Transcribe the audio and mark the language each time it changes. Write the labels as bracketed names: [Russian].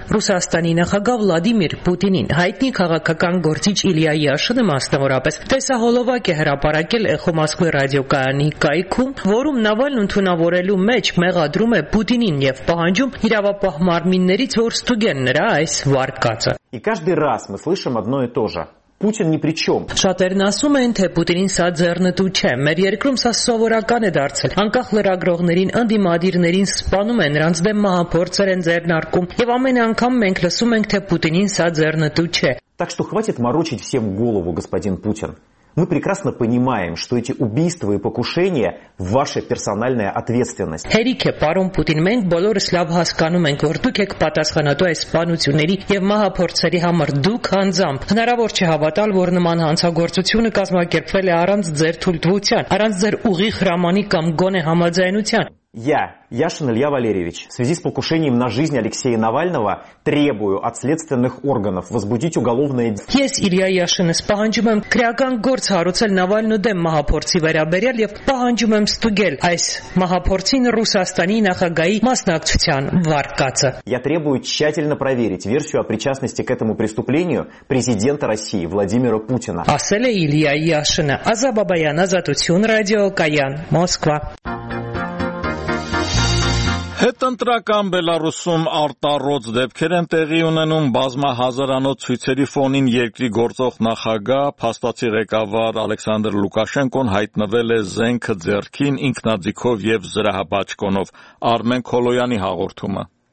[Armenian] Ռուսաստանի նախագահ Վլադիմիր Պուտինին։ Հայտնի քաղաքական գործիչ Իլիա Յաշինը մասնավորապես տեսահոլովակ է հրապարակել Էխո Մոսկվայի ռադիոկայանի կայքում, որում Նավալնու թունավորելու մեջ մեղադրում է Պուտինին և պահանջում իրավապահ մարմիններից որ ստուգեն նրա այս վարկածը։ [Russian] И каждый раз мы слышим одно и то же. Путин ни при чём. [Armenian] Շատերն ասում են, թե Պուտինին սա ձեռնտու չէ, մեր երկրում սա սովորական է դարձել։ Անկախ լրագրողներին, ընդդիմադիրներին սպանում են, նրանց դեմ մահափորձեր են ձեռնարկում, եւ ամեն անգամ մենք լսում ենք, թե Պուտինին սա ձեռնտու չէ։ [Russian] Так что хватит морочить всем голову, господин Путин. Мы прекрасно понимаем, что эти убийства и покушения – ваша персональная ответственность. [Armenian] Հերիքե, պարոն Պուտին, մենք բոլորս լավ հասկանում ենք, որ դուք եք պատասխանատու այս սպանությունների և մահափորձերի համար, դուք անձամբ։ Հնարավոր չէ հավատալ, որ նման հանցագործությունը կազմակերպվել է առանց ձեր թույլտվության, առանց ձեր ուղիղ հրամանի կամ գոնե համաձայնության։ [Russian] Я, Яшин Илья Валерьевич, в связи с покушением на жизнь Алексея Навального требую от следственных органов возбудить уголовное дело. [Armenian] Ես Իլիա Յաշինը պահանջում եմ քրեական գործ հարուցել Նավալնու դեմ մահապորցի վերաբերյալ եւ պահանջում եմ ստուգել այս մահապորցին Ռուսաստանի նախագահի մասնակցության վարկածը. [Russian] Я требую тщательно проверить версию о причастности к этому преступлению президента России Владимира Путина. [Armenian] Ասել է Իլիա Յաշինը, Ազա Բաբայան, Ազատություն ռադիո, Կայան, Մոսկվա։ Հետընտրական Բելարուսում արտառոց դեպքեր են տեղի ունենում բազմահազարանոց ցույցերի ֆոնին երկրի գործող նախագահ փաստացի ղեկավար Ալեքսանդր Լուկաշենկոն հայտնվել է զենքը ձեռքին ինքնաձիգով եւ զրահաբաճկոնով Արմեն Քոլոյանի հաղորդումը